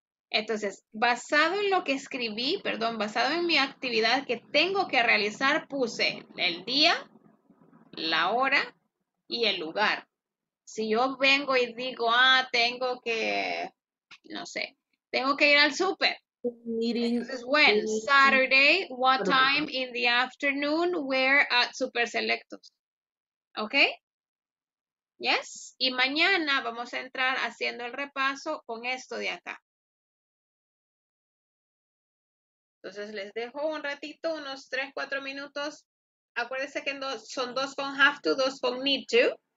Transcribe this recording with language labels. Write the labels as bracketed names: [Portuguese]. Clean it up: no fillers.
[Spanish] Entonces, basado en lo que escribí, perdón, basado en mi actividad que tengo que realizar, puse el día, la hora y el lugar. Si yo vengo y digo, ah, tengo que, no sé, tengo que ir al súper. [English] Entonces, when? Saturday, what time in the afternoon, where at Super Selectos. ¿Ok? Yes. [Spanish] Y mañana vamos a entrar haciendo el repaso con esto de acá. Entonces, les dejo un ratito, unos 3-4 minutos. Acuérdense que son dos con have to, dos con need to.